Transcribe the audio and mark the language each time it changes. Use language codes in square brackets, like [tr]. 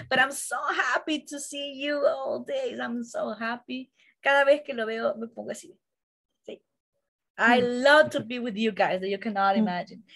[en] But I'm so happy to see you all days. I'm so happy. [es] Cada vez que lo veo, me pongo así. Sí. [en] I love to be with you guys that you cannot imagine.